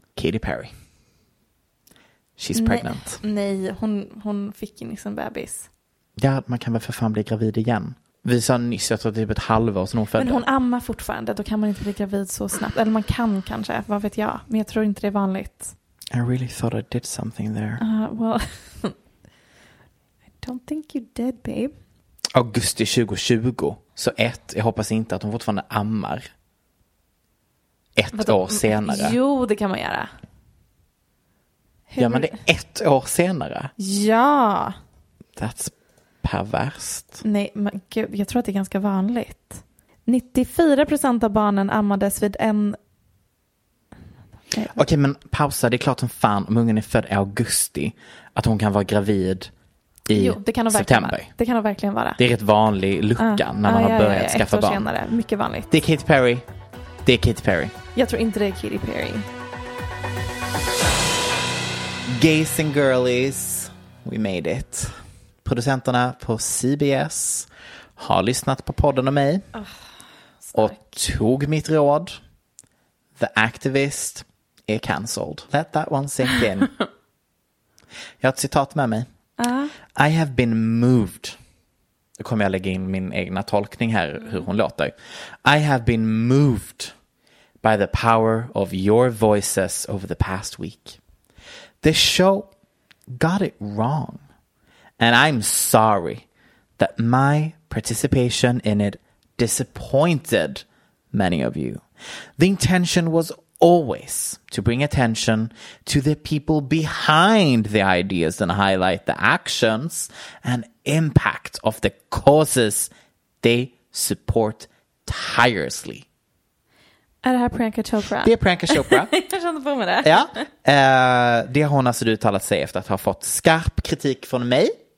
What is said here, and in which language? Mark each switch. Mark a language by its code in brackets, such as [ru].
[en] Katy Perry. She's pregnant. [sv] Nej, hon fick in liksom bebis. Ja, man kan väl för fan bli gravid igen. Vi sa nyss, jag tror typ ett halvår sedan hon födde. Men hon ammar fortfarande, då kan man inte bli gravid så snabbt. Eller man kan kanske, vad vet jag. Men jag tror inte det är vanligt. [en] I really thought I did something there. Well, I don't think you did, babe. [sv] Augusti 2020. Så ett, jag hoppas inte att hon fortfarande ammar. Ett år senare. Jo, det kan man göra. Gör man det ett år senare? Ja. [en] That's perverst. [sv] Nej, men gud, jag tror att det är ganska vanligt. 94% av barnen ammades vid en... Okej, men pausa. Det är klart som fan, om ungen är född i augusti, att hon kan vara gravid i september. Det kan hon verkligen vara. Det är rätt vanlig lucka när man har börjat skaffa barn. Senare. Mycket vanligt. Det är Katy Perry. Det är Katy Perry. Jag tror inte det är Katy Perry. [en] Gays and girlies, we made it. [sv] Producenterna på CBS har lyssnat på podden och mig. Oh, och tog mitt råd. The Activist är cancelled. [en] Let that one sink in. [sv] Jag har ett citat med mig. [en] I have been moved. [sv] Då kommer jag lägga in min egna tolkning här, hur hon låter. [en] I have been moved by the power of your voices over the past week. This show got it wrong. And I'm sorry that my participation in it disappointed many of you. The intention was always to bring attention to the people behind the ideas and highlight the actions and impact of the causes they support tirelessly. [sv] Är det här Priyanka Chopra? Det är Priyanka Chopra. Jag kände på med det. Ja. Det har hon alltså uttalat sig efter att ha fått skarp kritik från mig.